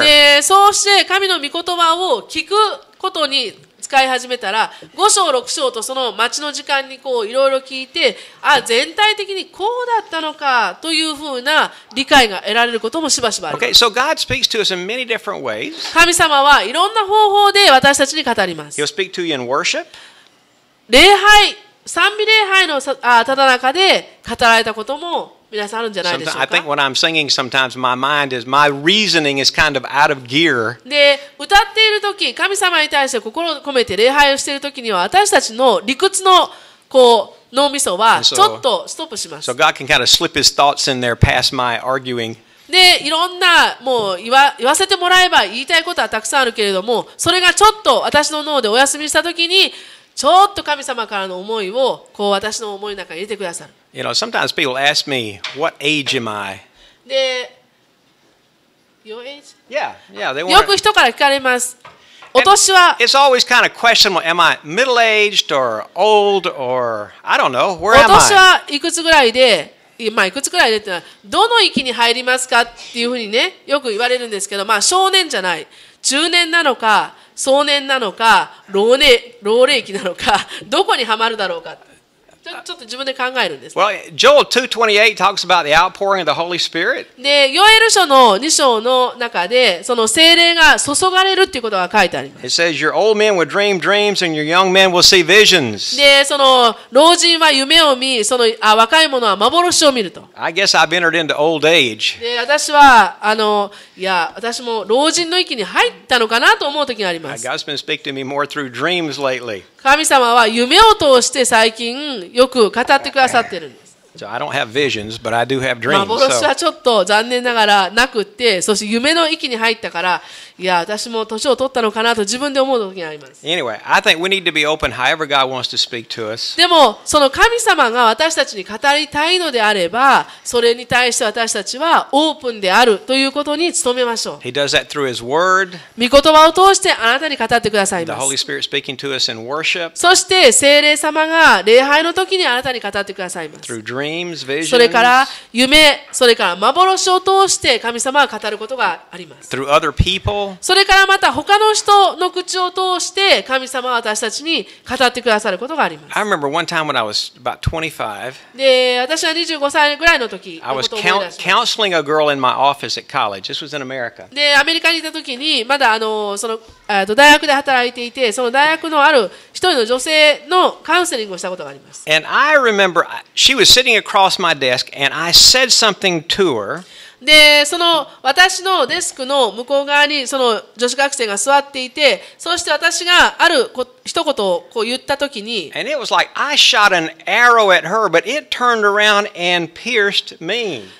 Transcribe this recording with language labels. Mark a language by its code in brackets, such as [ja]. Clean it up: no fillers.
[ja] でそうして神の御言葉を聞くことに使い始めたら、5章6章とその待ちの時間にこういろいろ聞いて、あ全体的にこうだったのかというふうな理解が得られることもしばしばあります。 [en] Okay, so God speaks to us in many different ways. [ja] 神様はいろんな方法で私たちに語ります。 [en] He'll speak to you in worship. [ja] 礼拝、賛美礼拝のただ中で語られたことも皆さんあるんじゃないでしょうか。 [en] I think when I'm singing, sometimes my mind is, my reasoning is kind of out of gear. [ja] で、歌っているとき、神様に対して心を込めて礼拝をしているときには、私たちの理屈のこう脳みそはちょっとストップします。 [en] So God can kind of slip his thoughts in there past my arguing. [ja] でいろんなもう言わせてもらえば言いたいことはたくさんあるけれども、それがちょっと私の脳でお休みしたときに、ちょっと神様からの思いをこう私の思いの中に入れてくださる。 [en] You know, sometimes people ask me, what age am I? で、your age? Yeah, they want. [ja] よく人から聞かれます。お年は。 [en] It's always kind of questionable. Am I middle-aged or old or I don't know. Where am I? [ja] お年はいくつぐらいで。まあ、いくつくらいでってのはどの域に入りますかっていうふうにねよく言われるんですけど、まあ少年じゃない、中年なのか少年なのか老齢期なのかどこにはまるだろうかちょっと自分で考えるんです、ね。 [en] Well, Joel 2:28 talks about the outpouring of the Holy Spirit. [ja] で、ヨエル書の2章の中でその聖霊が注がれるっていうことが書いてあります。 [en] It says your old men will dream dreams and your young men will see visions. [ja] で、その老人は夢を見、若い者は幻を見ると。 [en] I guess I've entered into old age. [ja] で、私はいや私も老人の域に入ったのかなと思う時があります。 [en] God's been speaking to me more through dreams lately. [ja] 神様は夢を通して最近よく語ってくださってるんです。 [en] So I don't have visions, but I do have dreams. [ja] 幻はちょっと残念ながらなくって、そして夢の域に入ったから、いや、私も年を取ったのかなと自分で思う時があります。 [en] Anyway, I think we need to be open however God wants to speak to us. [ja] でも、その神様が私たちに語りたいのであれば、それに対して私たちはオープンであるということに努めましょう。 [en] He does that through His Word. [ja] 御言葉を通してあなたに語ってくださいます。 [en] The Holy Spirit speaking to us in worship. [ja] そして、聖霊様が礼拝の時にあなたに語ってくださいます。 [en] Through dreams, visions. [ja] それから、夢、それから幻を通して神様が語ることがあります。 [en] Through other people. [ja] それからまた他の人の口を通して神様は私たちに語ってくださることがあります。 [en] I remember one time when I was about 25. [ja] で、私は25歳ぐらいの時、 [en] I was counseling a girl in my office at college. This was in America. [ja] で、アメリカにいた時にまだその大学で働いていて、その大学のある一人の女性のカウンセリングをしたことがあります。 [en] And I remember she was sitting across my desk, and I said something to her. [ja] で、その私のデスクの向こう側にその女子学生が座っていて、そして私がある一言をこう言ったときに、 [en] And it was like I shot an arrow at her, but it turned around and pierced me.